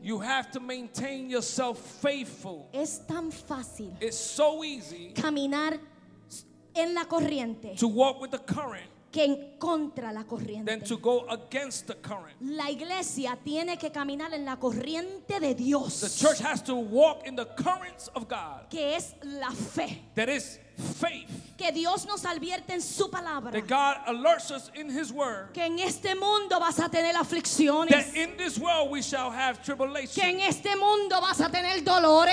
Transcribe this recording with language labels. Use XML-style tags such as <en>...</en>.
<en>You have to maintain yourself faithful.</en> <es>Es tan fácil.</es> <en>It's so easy.</en> <es>Caminar en la corriente.</es> <en>To walk with the current.</en> <es>Que en contra la corriente.</es> <en>Than to go against the current.</en> <es>La iglesia tiene que caminar en la corriente de Dios.</es> <en>The church has to walk in the currents of God.</en> <es>Que es la fe.</es> <en>That is faith.</en> <es>Que Dios nos advierte en su palabra.</es> <en>That God alerts us in his word.</en> <es>Que en este mundo vas a tener aflicciones.</es> <en>That in this world we shall have tribulation.</en> <es>Que en este mundo vas a tener dolores.</es>